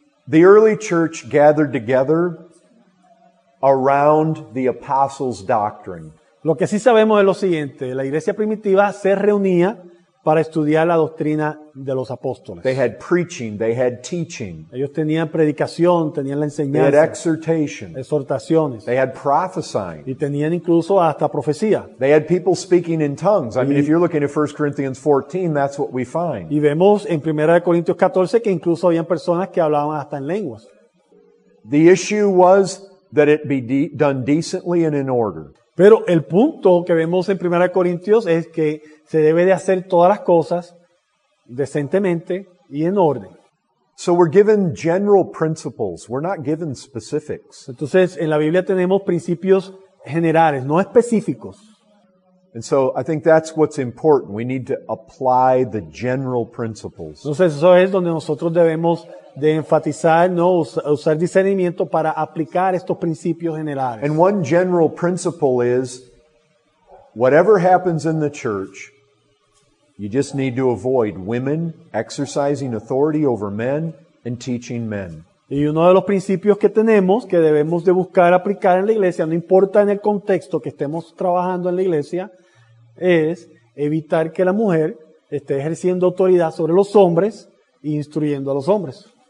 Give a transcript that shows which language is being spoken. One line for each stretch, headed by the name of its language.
English: The early church gathered together around the apostles' doctrine.
Spanish: Lo que sí sabemos es lo siguiente. La iglesia primitiva se reunía para estudiar la doctrina de los apóstoles.
English: They had preaching, they had teaching.
Spanish: Ellos tenían predicación, tenían la enseñanza.
English: They had exhortation.
Spanish: Exhortaciones.
English: They had prophesying.
Spanish: Y tenían incluso hasta profecía.
English: They had people speaking in tongues. I mean, if you're looking at 1 Corinthians 14, that's what we find.
Spanish: Y vemos en 1 Corintios 14 que incluso habían personas que hablaban hasta en lenguas.
English: The issue was that it be done decently and in order.
Spanish: Pero el punto que vemos en 1 Corintios es que se debe de hacer todas las cosas decentemente y en orden.
English: So we're given general principles, we're not given specifics.
Spanish: Entonces, en la Biblia tenemos principios generales, no específicos.
English: And so I think that's what's important. We need to apply the general principles.
Spanish: Entonces, eso es donde nosotros debemos de enfatizar, ¿no? Usar discernimiento para aplicar estos principios generales.
English: And one general principle is whatever happens in the church, you just need to avoid women exercising authority over men and teaching men.
Spanish: Y uno de los principios que tenemos que debemos de buscar aplicar en la iglesia, no importa en el contexto que estemos trabajando en la iglesia, es evitar que la mujer esté ejerciendo autoridad sobre los hombres e instruyendo a los hombres.